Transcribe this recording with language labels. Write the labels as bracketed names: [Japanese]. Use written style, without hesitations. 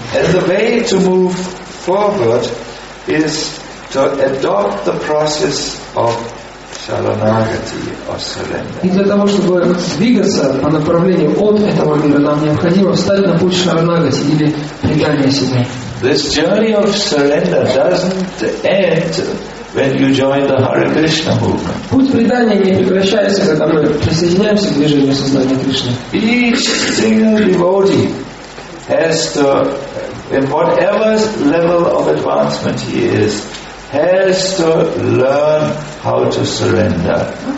[English] And the way to move forward is to adopt the process of Шаранагати, or surrender. [Russian] И для того, чтобы двигаться по направлению от этого мира, нам необходимо встать на путь шаранагати или предания себе. [English] This journey of surrender doesn't end when you join the Hare Krishna movement. [Russian] Путь предания не прекращается, когда мы присоединяемся к движению сознания Кришны. [English] Each single devotee has to, in whatever level of advancement he is, has to learn how to surrender.